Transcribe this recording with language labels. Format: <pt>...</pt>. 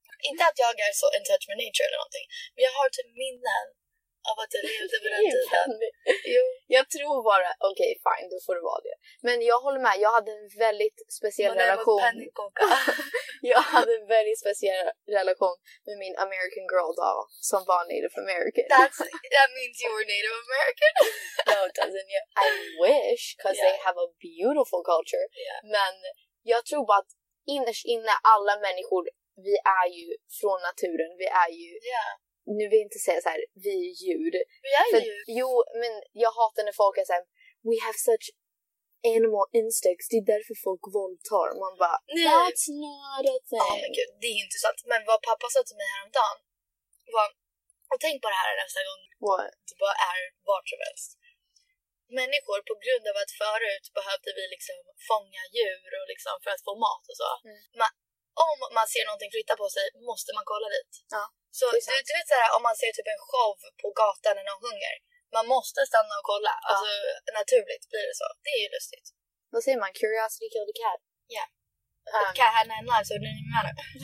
<sv>Inte att jag är så</sv> <en>in touch with nature</en> <sv>eller någonting. Men jag har typ minnen av att jag levde på den tiden. Jo. Jag tror bara... Okej,</sv> <en>okay, fine.</en> <sv>Då får du vara det. Men jag håller med. Jag hade en väldigt speciell relation. Man är med pannikoka. Jag hade en väldigt speciell relation med min American girl doll som var Native American.</sv> <en>That means you were Native American? No, it doesn't. I wish, because they have a beautiful culture. Yeah.</en> <sv>Men jag tror bara att innerst inne alla människor, vi är ju från naturen. Vi är ju...</sv> <en>Yeah.</en> <sv>Nu vill jag inte säga så här, vi är djur. Vi är för, djur. Jo, men jag hatar när folk är så här,</sv> <en>we have such... animal instincts,</en> <sv>det är därför folk våldtar. Man bara, nej.</sv> <en>That's not a thing. Oh my god,</en> <sv>det är inte sant. Men vad pappa sa till mig häromdagen var, och tänk på det här nästa gång.</sv> <en>What?</en> <sv>Det bara är vart som helst. Människor, på grund av att förut behövde vi liksom fånga djur och liksom för att få mat och så. Mm. Man, om man ser någonting flytta på sig, måste man kolla dit. Ja, så du vet så här, om man ser typ en show på gatan när någon hunger. Man måste stanna och kolla. Ja. Alltså, naturligt blir det så. Det är ju lustigt. Vad säger man?</sv> <en>Curiosity killed a cat. Yeah. The cat had nine lives, so it didn't matter.</en>